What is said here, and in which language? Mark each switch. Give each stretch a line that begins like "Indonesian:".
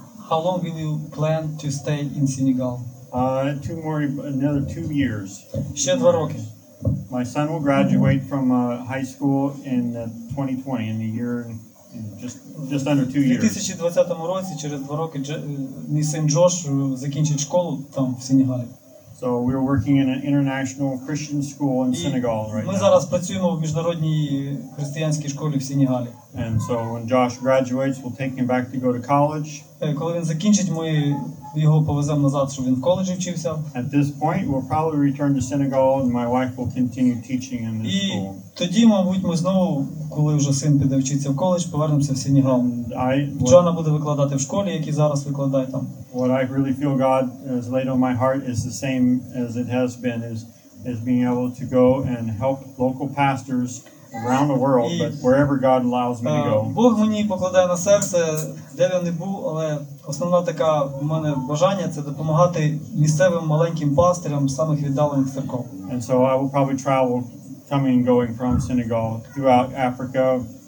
English: How long will you plan to stay in Senegal? Another 2 years.
Ukrainian: Ще 2 роки.
English: My son will graduate from high school in 2020, in the year, in just under 2 years.
Ukrainian: У 2020 році, через 2 роки, мій син Джош закінчить школу там, в Сенегалі.
English: So we're working in an international Christian school in Senegal right
Ukrainian: now. Ми зараз працюємо в міжнародній християнській школі в Сенегалі.
English: And so when Josh graduates, we'll take him back to go to college.
Ukrainian: Коли він закінчить, ми його повеземо назад, щоб він в коледжі вчився.
English: At this point, we'll probably return to Senegal and my wife will continue teaching in this school.
Ukrainian: І тоді, мабуть, ми знову, коли вже син піде вчитися в коледж, повернемося в Сенегал. Джоана буде викладати в школі, як і зараз викладає там.
English: What I really feel God has laid on my heart is the same as it has been, is being able to go and help local pastors around the world, but wherever God allows me to go.
Ukrainian: Бог мені покладає на серце, де б я не був, але основна така в мене бажання це допомагати місцевим маленьким пастирам самих віддалених церков.
English: And so I will probably travel coming and going from Senegal throughout Africa.